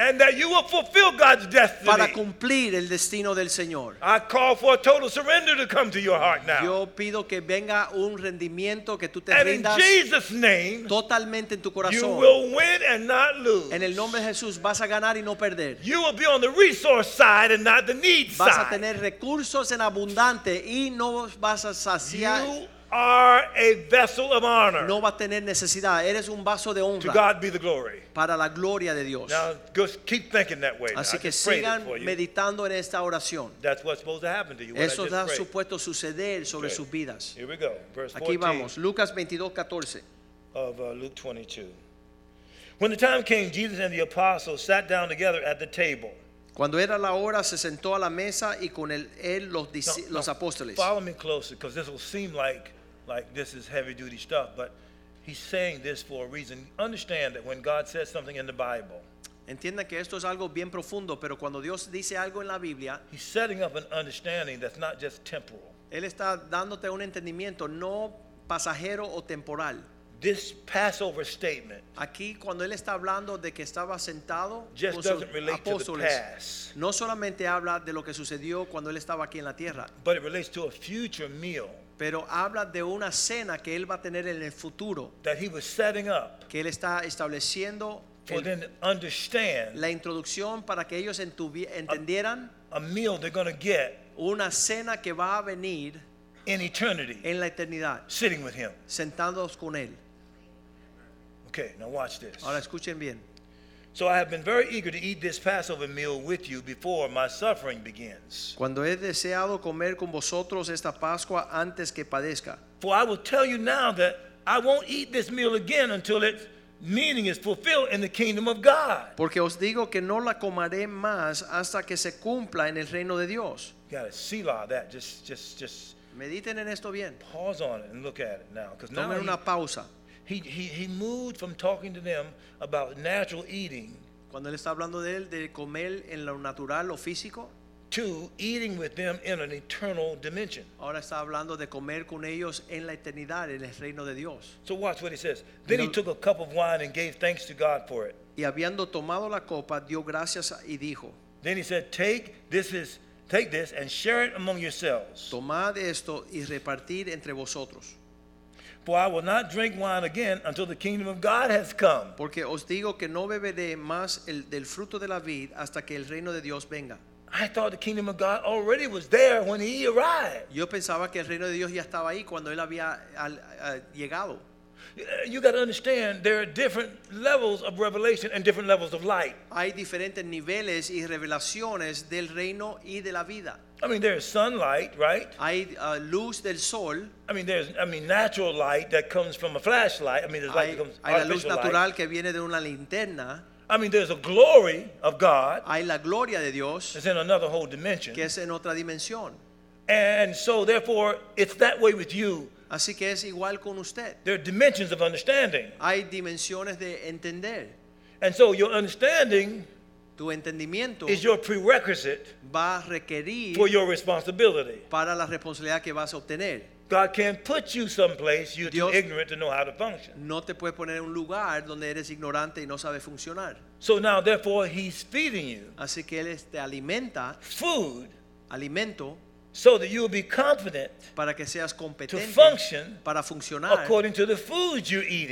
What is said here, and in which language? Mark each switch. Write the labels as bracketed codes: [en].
[en] And that you will fulfill God's destiny. [es] Para cumplir el destino del Señor. [en] I call for a total surrender to come to your heart now. [es] Yo pido que venga un rendimiento que tú te [en] and [es] rindas. [en] In Jesus' name, [es] totalmente en tu corazón. [en] You will win and not lose. [es] En el nombre de Jesús vas a ganar y no perder. [en] You will be on the resource side and not the need side. [es] Vas a tener recursos en abundante y no vas a saciar. [en] Are a vessel of honor. [es] No va a tener necesidad. Eres un vaso de honra. [en] To God be the glory. [es] Para la gloria de Dios. [en] Now just keep thinking that way. [es] Así que sigan meditando en esta oración. [en] That's what's supposed to happen to you. [es] Eso está supuesto suceder sobre sus vidas. [en] Here we go. Verse [es] 14. Aquí vamos. Lucas 22:14. [en] Of Luke 22. When the time came, Jesus and the apostles sat down together at the table. [es] Cuando era la hora, se sentó a la mesa y con él los apóstoles. [en] Follow me closely, because this will seem like this is heavy-duty stuff, but he's saying this for a reason. Understand that when God says something in the Bible, [es] entienda que esto es algo bien profundo, pero cuando Dios dice algo en la Biblia, [en] he's setting up an understanding that's not just temporal. [es] Él está dándote un entendimiento no pasajero o temporal. [en] This Passover statement. [es] Aquí cuando él está hablando de que estaba sentado [en] just [es] con sus [en] doesn't relate [es] apóstoles, [en] to the past. [es] No solamente habla de lo que sucedió cuando él estaba aquí en la tierra. [en] But it relates to a future meal. [es] Pero habla de una cena que él va a tener en el futuro. [en] That he was setting up. [es] Que él está estableciendo. [en] For them to understand. [es] La introducción para que ellos entendieran. [en] A meal they're going to get. [es] Una cena que va a venir. [en] In eternity. [es] En la eternidad. [en] Sitting with him. [es] Sentados con él. [en] Okay, now watch this. [es] Ahora escuchen bien. [en] So I have been very eager to eat this Passover meal with you before my suffering begins. [es] Cuando he deseado comer con vosotros esta Pascua antes que padezca. [en] For I will tell you now that I won't eat this meal again until its meaning is fulfilled in the kingdom of God. [es] Porque os digo que no la comeré más hasta que se cumpla en el reino de Dios. [en] You gotta see all that. Just. [es] Mediten en esto bien. [en] Pause on it and look at it now. [es] Tomen una pausa. [en] He moved from talking to them about natural eating. [es] Cuando él está hablando de él, de comer en lo natural, lo físico. [en] To eating with them in an eternal dimension. [es] Ahora está hablando de comer con ellos en la eternidad, en el reino de Dios. [en] So watch what he says. Then he took a cup of wine and gave thanks to God for it. [es] Y habiendo tomado la copa, dio gracias y dijo. [en] Then he said, Take this and share it among yourselves. [es] Tomad esto y repartid entre vosotros. [en] For I will not drink wine again until the kingdom of God has come. [es] Porque os digo que no beberé más del fruto de la vid hasta que el reino de Dios venga. [en] I thought the kingdom of God already was there when he arrived. [es] Yo pensaba que el reino de Dios ya estaba ahí cuando él había llegado. [en] You got to understand there are different levels of revelation and different levels of light. [es] Hay diferentes niveles y revelaciones del reino y de la vida. [en] I mean, there's sunlight, right? [es] Hay luz del sol. [en] I mean, natural light that comes from a flashlight. I mean, there's light that comes from artificial light. [es] Hay la luz natural que viene de una linterna. [en] I mean, there's a glory of God. [es] Hay la gloria de Dios. [en] It's in another whole dimension. [es] Que es en otra dimensión. [en] And so, therefore, it's that way with you. [es] Así que es igual con usted. [en] There are dimensions of understanding. [es] Hay dimensiones de entender. [en] And so, your understanding. [es] Tu entendimiento [en] is your prerequisite [es] va a requerir [en] for your responsibility. [es] Para la responsabilidad que vas a obtener. [en] God can't put you someplace you're too ignorant to know how to function. [es] No te puede poner en un lugar donde eres ignorante y no sabes funcionar. [en] So now, therefore, he's feeding you. [es] Así que él te alimenta. [en] Food. [es] Alimento. [en] So that you'll be confident. [es] Para que seas competente. [en] To function. [es] Para funcionar. [en] According to the food you're eating.